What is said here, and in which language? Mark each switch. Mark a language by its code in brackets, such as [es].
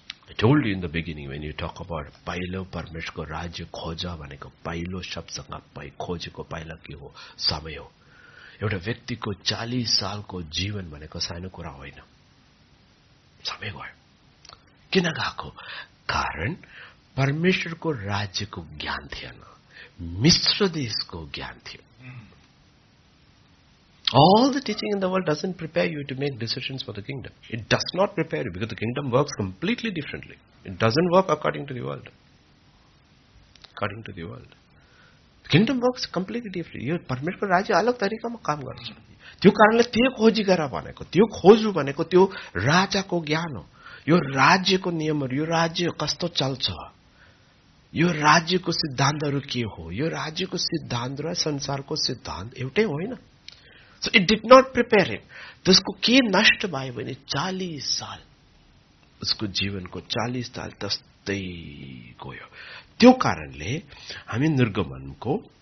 [en] I told you in the beginning when you talk about [ne] पहिलो परमेश्वरको राज्य खोज भनेको पहिलो शब्दसँग खोजेको पहिला के हो समय हो एउटा व्यक्तिको 40 सालको जीवन भनेको सानो कुरा होइन समय गयो किन गएको कारण परमेश्वरको राज्यको ज्ञान थिएन मिश्र देशको ज्ञान थियो [en] All the teaching in the world doesn't prepare you to make decisions for the kingdom. It does not prepare you because the kingdom works completely differently. It doesn't work according to the world. According to the world. Kingdom works completely different [ne] यो परमेश्वर राज्य अलग तरिकामा काम गर्छ त्यो कारणले त्यो खोजी गर भनेको त्यो खोज्नु भनेको त्यो राजाको ज्ञान हो यो राज्यको नियमहरू यो राज्य कस्तो चल्छ यो राज्यको सिद्धान्तहरू के हो यो राज्यको सिद्धान्त र संसारको सिद्धान्त एउटै होइन [en] so it did not prepare him [ne] त्यसको के नष्ट भयो भने 40 साल उसको जीवनको 40 साल त्यस्तै गयो त्यो कारणले हामी निर्गमनको